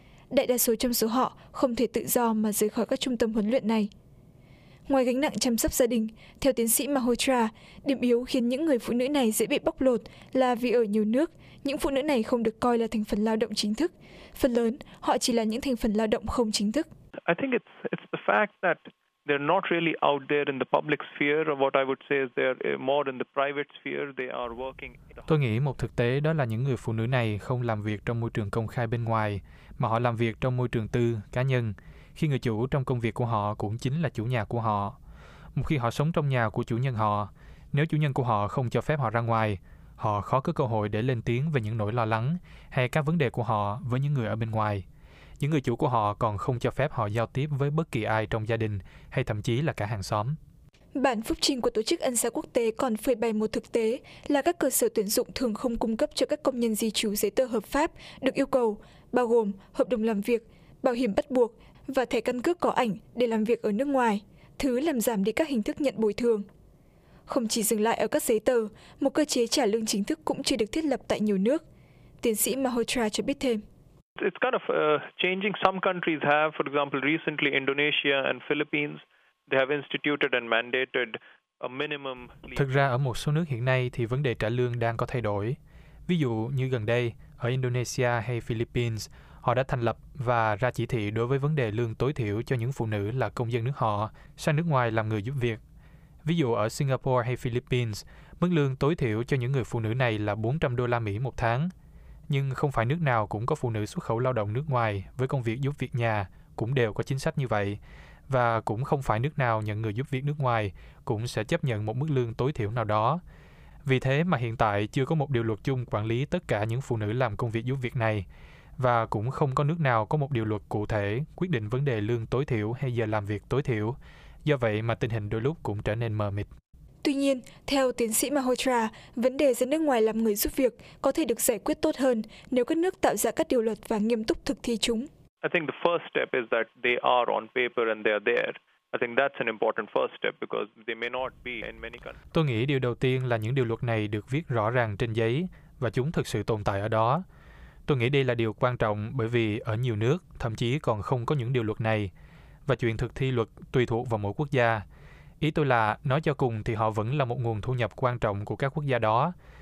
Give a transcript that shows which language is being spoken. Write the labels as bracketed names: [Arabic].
[Vietnamese] Đại đa số trong số họ không thể tự do mà rời khỏi các trung tâm huấn luyện này. Ngoài gánh nặng chăm sóc gia đình, theo tiến sĩ Mahotra, điểm yếu khiến những người phụ nữ này dễ bị bóc lột là vì ở nhiều nước, những phụ nữ này không được coi là thành phần lao động chính thức. Phần lớn, họ chỉ là những thành phần lao động không chính thức. [English] I think it's the fact that they're not really out there in the public sphere, or what I would say is they're more in the private sphere. They are working. [Vietnamese] Tôi nghĩ một thực tế đó là những người phụ nữ này không làm việc trong môi trường công khai bên ngoài, mà họ làm việc trong môi trường tư, cá nhân, khi người chủ trong công việc của họ cũng chính là chủ nhà của họ. Một khi họ sống trong nhà của chủ nhân họ, nếu chủ nhân của họ không cho phép họ ra ngoài, họ khó có cơ hội để lên tiếng về những nỗi lo lắng hay các vấn đề của họ với những người ở bên ngoài. Những người chủ của họ còn không cho phép họ giao tiếp với bất kỳ ai trong gia đình hay thậm chí là cả hàng xóm. Bản phúc trình của Tổ chức Ân xá Quốc tế còn phơi bày một thực tế là các cơ sở tuyển dụng thường không cung cấp cho các công nhân di trú giấy tờ hợp pháp được yêu cầu, bao gồm hợp đồng làm việc, bảo hiểm bắt buộc và thẻ căn cước có ảnh để làm việc ở nước ngoài, thứ làm giảm đi các hình thức nhận bồi thường. Không chỉ dừng lại ở các giấy tờ, một cơ chế trả lương chính thức cũng chưa được thiết lập tại nhiều nước. Tiến sĩ Mahotra cho biết thêm. [English] It's kind of changing. Some countries have, for example, recently Indonesia and Philippines, they have instituted and mandated a minimum. [Vietnamese] Thực ra ở một số nước hiện nay thì vấn đề trả lương đang có thay đổi. Ví dụ như gần đây ở Indonesia hay Philippines, họ đã thành lập và ra chỉ thị đối với vấn đề lương tối thiểu cho những phụ nữ là công dân nước họ sang nước ngoài làm người giúp việc. Ví dụ ở Singapore hay Philippines, mức lương tối thiểu cho những người phụ nữ này là 400 đô la Mỹ một tháng. Nhưng không phải nước nào cũng có phụ nữ xuất khẩu lao động nước ngoài với công việc giúp việc nhà cũng đều có chính sách như vậy. Và cũng không phải nước nào nhận người giúp việc nước ngoài cũng sẽ chấp nhận một mức lương tối thiểu nào đó. Vì thế mà hiện tại chưa có một điều luật chung quản lý tất cả những phụ nữ làm công việc giúp việc này. Và cũng không có nước nào có một điều luật cụ thể quyết định vấn đề lương tối thiểu hay giờ làm việc tối thiểu. Do vậy mà tình hình đôi lúc cũng trở nên mờ mịt. Tuy nhiên, theo tiến sĩ Mahotra, vấn đề ra nước ngoài làm người giúp việc có thể được giải quyết tốt hơn nếu các nước tạo ra các điều luật và nghiêm túc thực thi chúng. [English] I think the first step is that they are on paper and they are there. I think that's an important first step because they may not be in many countries. [Vietnamese] Tôi nghĩ điều đầu tiên là những điều luật này được viết rõ ràng trên giấy và chúng thực sự tồn tại ở đó. Tôi nghĩ đây là điều quan trọng bởi vì ở nhiều nước thậm chí còn không có những điều luật này và chuyện thực thi luật tùy thuộc vào mỗi quốc gia. Ý tôi là, nói cho cùng thì họ vẫn là một nguồn thu nhập quan trọng của các quốc gia đó.